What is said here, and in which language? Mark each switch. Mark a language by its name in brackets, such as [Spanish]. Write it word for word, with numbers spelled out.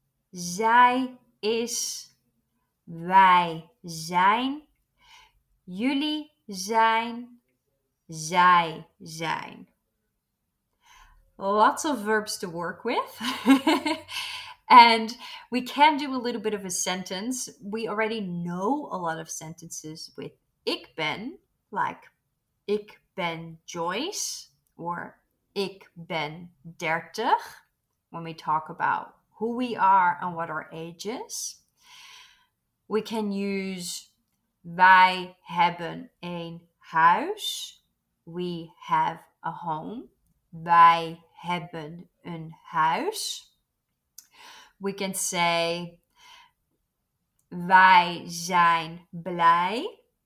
[Dutch] Zij is, wij zijn, jullie zijn, zij zijn. [English] Lots of verbs to work with. And we can do a little bit of a sentence. We already know a lot of sentences with [Dutch] ik ben, [English] like [Dutch] ik ben Joyce [English] or [Dutch] ik ben dertig [English] when we talk about who we are and what our age is. We can use [Dutch] wij hebben een huis. [English] We have a home. [Dutch] Wij hebben een huis. [English] We can say [Dutch] wij zijn blij.